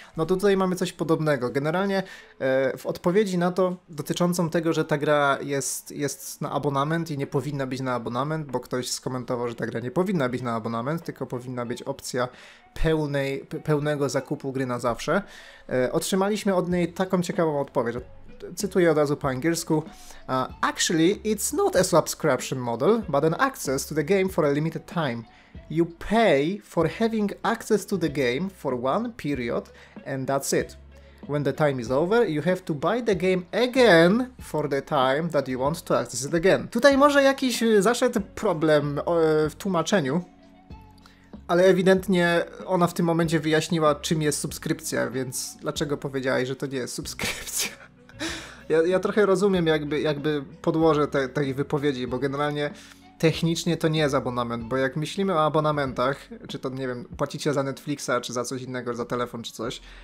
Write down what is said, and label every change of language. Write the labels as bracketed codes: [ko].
[pl] No to tutaj mamy coś podobnego. Generalnie w odpowiedzi na to, dotyczącą tego, że ta gra jest na abonament i nie powinna być na abonament, bo ktoś skomentował, że ta gra nie powinna być na abonament, tylko powinna być opcja pełnego zakupu gry na zawsze, otrzymaliśmy od niej taką ciekawą odpowiedź. Cytuję od razu po angielsku. [en] Actually, it's not a subscription model, but an access to the game for a limited time. You pay for having access to the game for one period and that's it. When the time is over, you have to buy the game again for the time that you want to access it again. [pl] Tutaj może jakiś zaszedł problem w tłumaczeniu. Ale ewidentnie ona w tym momencie wyjaśniła, czym jest subskrypcja, więc dlaczego powiedziałaś, że to nie jest subskrypcja? Ja trochę rozumiem jakby podłoże tej wypowiedzi, bo generalnie technicznie to nie jest abonament, bo jak myślimy o abonamentach, czy to, nie wiem, płacicie za Netflixa, czy za coś innego, za telefon, czy coś,